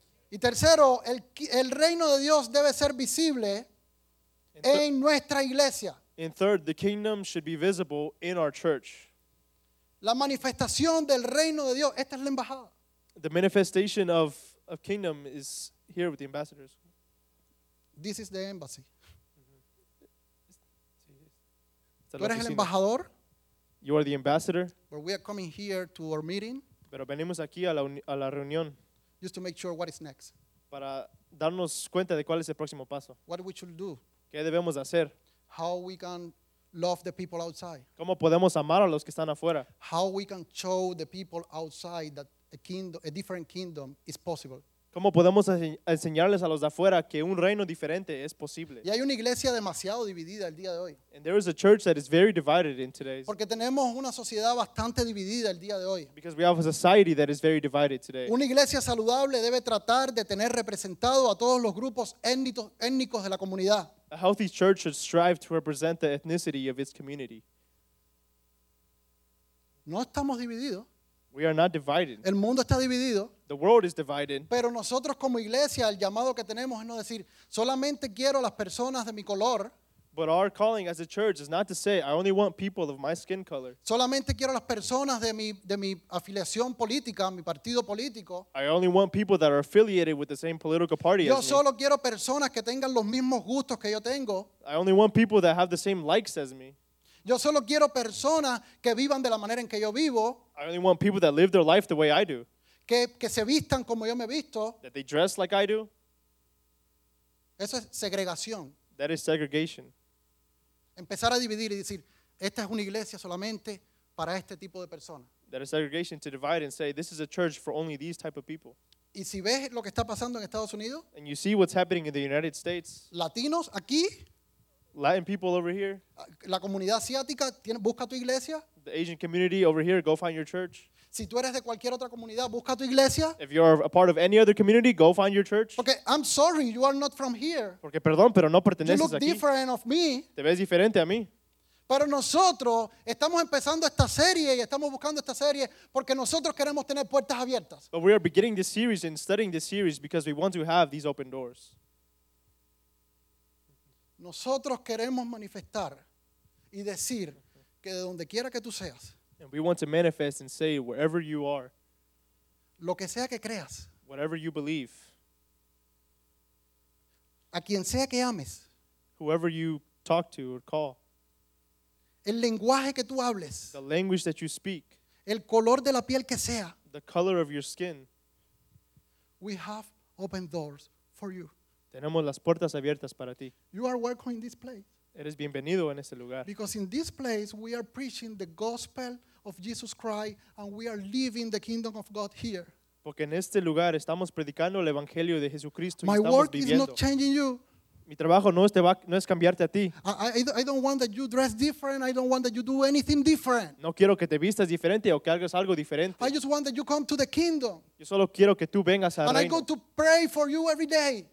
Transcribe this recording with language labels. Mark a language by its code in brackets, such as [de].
[es] Y tercero, el reino de Dios debe ser visible en nuestra iglesia. [en] And third, the kingdom should be visible in our church. [es] La manifestación del reino de Dios, esta es la embajada. [en] The manifestation of kingdom is here with the ambassadors. This is the embassy. Mm-hmm. [es] Tú eres el embajador. [en] You are the ambassador. But we are coming here to our meeting. [es] Pero venimos aquí a la reunión. [en] Just to make sure what is next. [es] Para darnos cuenta de cuál es el próximo paso. [en] What we should do. [es] ¿Qué debemos hacer? [en] How we can love the people outside. [es] ¿Cómo podemos amar a los que están afuera? [en] How we can show the people outside that a different kingdom is possible. [es] ¿Cómo podemos enseñarles a los de afuera que un reino diferente es posible? Y hay una iglesia demasiado dividida el día de hoy. [en] And there is a church that is very divided in today. [es] Porque tenemos una sociedad bastante dividida el día de hoy. [en] Because we have a society that is very divided today. [es] Una iglesia saludable debe tratar de tener representado a todos los grupos étnicos de la comunidad. [en] A healthy church should strive to represent the ethnicity of its community. [es] No estamos divididos. [en] We are not divided. [es] El mundo está dividido. [en] The world is divided. [es] Pero nosotros como iglesia, el llamado que tenemos es no decir, solamente quiero las personas de mi color. [en] But our calling as a church is not to say, I only want people of my skin color. [es] Solamente quiero las personas de mi afiliación política, mi partido político. [en] I only want people that are affiliated with the same political party [es] yo [en] as me. [es] Yo solo quiero personas que tengan los mismos gustos que yo tengo. [en] I only want people that have the same likes as me. [es] Yo solo quiero personas que vivan de la manera en que yo vivo. [en] I only want people that live their life the way I do. [es] Que se vistan como yo me visto. [en] That they dress like I do. [es] Eso es segregación. [en] That is segregation. [es] Empezar a dividir y decir, esta es una iglesia solamente para este tipo de personas. [en] That is segregation, to divide and say, this is a church for only these type of people. [es] Y si ves lo que está pasando en Estados Unidos. [en] And you see what's happening in the United States. [es] Latinos aquí. [en] Latin people over here. [es] La comunidad asiática tiene, busca tu iglesia. [en] The Asian community over here, go find your church. [es] Si tú eres de cualquier otra comunidad, busca tu iglesia. [en] If you're a part of any other community, go find your church. Okay, I'm sorry, you are not from here. [es] Porque perdón, pero no perteneces aquí. [en] You look different of me. [es] Te ves diferente a mí. Pero nosotros estamos empezando esta serie y estamos buscando esta serie porque nosotros queremos tener puertas abiertas. [en] But we are beginning this series and studying this series because we want to have these open doors. [es] Nosotros queremos manifestar y decir que de donde quiera que tú seas. [en] And we want to manifest and say wherever you are. [es] Lo que sea que creas. [en] Whatever you believe. [es] A quien sea que ames. [en] Whoever you talk to or call. [es] El lenguaje que tú hables. [en] The language that you speak. [es] El color de la piel que sea. [en] The color of your skin. We have open doors for you. [es] Tenemos las puertas abiertas para ti. [en] You are welcome in this place. [es] Eres bienvenido en este lugar. [en] Because in this place we are preaching the gospel of Jesus Christ and we are living the kingdom of God here. [es] Porque en este lugar estamos predicando el evangelio de Jesucristo y estamos viviendo. [en] My work is not changing you. [es] Mi trabajo no es cambiarte a ti. [en] I don't want that you dress different. I don't want that you do anything different. [es] No quiero que te vistas diferente o que hagas algo diferente. [en] I just want that you come to the kingdom. [es] Yo solo quiero que tú vengas al [en] and [es] reino. [en] I go to pray for you every day.